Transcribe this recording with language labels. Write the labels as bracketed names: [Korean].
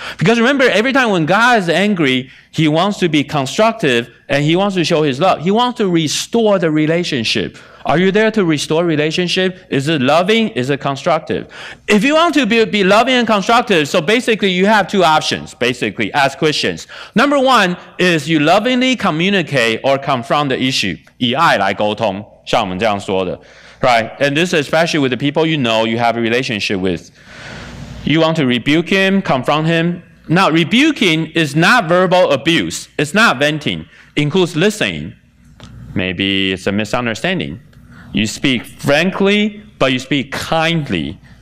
[English] Because remember, every time when God is angry, he wants to be constructive and he wants to show his love. He wants to restore the relationship. Are you there to restore relationship? Is it loving? Is it constructive? If you want to be loving and constructive, so basically you have two options, basically, as Christians. Number one is you lovingly communicate or confront the issue. [Chinese] 以爱来沟通, 像我们这样说的。 [English] Right, and this is especially with the people you know you have a relationship with. You want to rebuke him, confront him. Now, rebuking is not verbal abuse. It's not venting. It includes listening. Maybe it's a misunderstanding. You speak frankly, but you speak kindly.